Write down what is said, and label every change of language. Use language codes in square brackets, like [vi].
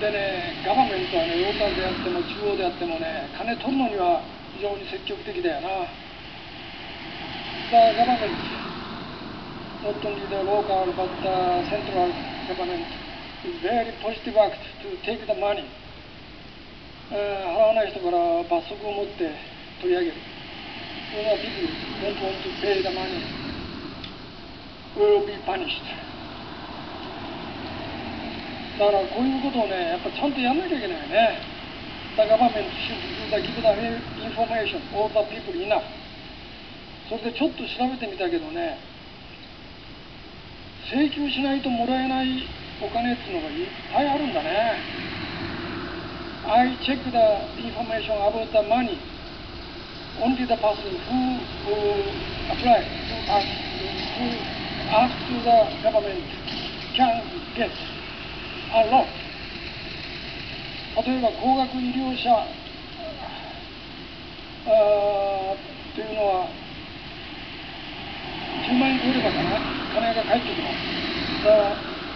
[ja] でね、government はね、ローカルであっても中央であってもね、金取るのには非常に積極的だよな。 [en] The government, not only the local but the central government, is very positive act to take the money. [ja] 払わない人から罰則を持って取り上げる。 [en] それは people don't want to pay the money will be punished。 [ja] だからこういうことをね、やっぱちゃんとやらなきゃいけないよね。 [en] The government should do the give the information all the people enough。 [ja] それでちょっと調べてみたけどね、請求しないともらえないお金っていうのがいっぱいあるんだね。 [en] I check the information about the money. Only the person who apply who ask to the government can get a lot. [ja] 例えば高額医療者というのは10万円超えればかな、金が返ってきます。